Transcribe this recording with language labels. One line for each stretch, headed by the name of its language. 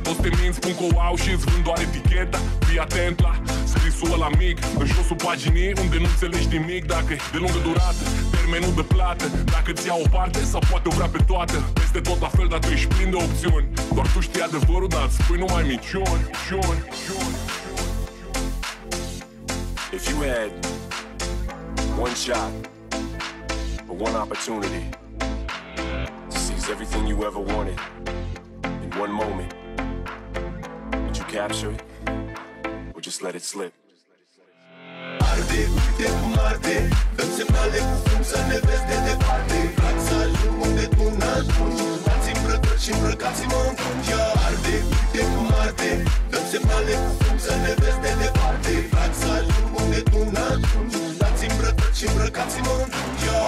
Romanian: Toți te minți, spun că wow și îți vând doar eticheta. Fii atent la scrisul ăla mic, în josul paginii, unde nu înțelegi nimic. Dacă e de lungă durată, termenul de plată. Dacă ți ia o parte sau poate o vrea pe toată. Peste tot la fel, dar tu ești plin de opțiuni. Doar tu știi adevărul, dar îți spui numai minciuni.
English: If you had one shot or one opportunity to seize everything you ever wanted in one moment, would you capture it or just let it slip?
Romanian: Arde, uite cum arde, dă-mi semnale cu fum să ne vezi de departe. Vreau să ajung unde tu n-ajungi, dați-mi brătări și îmbrăcați-mă în fungea. Arde, uite cum arde, dă-mi semnale cu fum să ne vezi de departe. Vreau să ajung unde tu n-ajungi, dați-mi brătări și îmbrăcați-mă în fungea.